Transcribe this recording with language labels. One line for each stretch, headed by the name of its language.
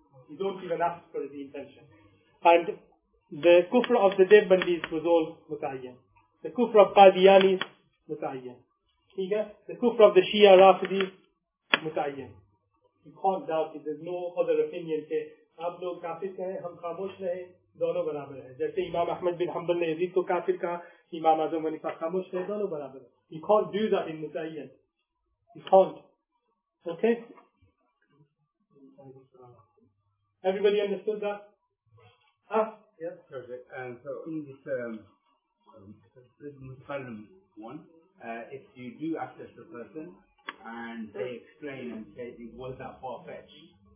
English: You don't even ask for the intention. And the kufr of the Devbandis was all muta'ayyan. The kufr of Qadiyani, muta'ayyan. The kufr of the Shia Rafidi, muta'ayyan. You can't doubt it, there's no other opinion.
Urdu: آپ لوگ کافر کہے، ہم خاموش رہے، دونوں برابر ہے۔ جیسے امام احمد بن حنبل نے یزید کو کافر کہا، امام اعظم حنیفہ خاموش رہے، دونوں برابر ہے۔
English: You can't do that in muta'ayyan. You can't. Okay? Everybody understood that? Yes, perfect. And so in this Muslim one, if you do access the person and they explain and say, was that far-fetched?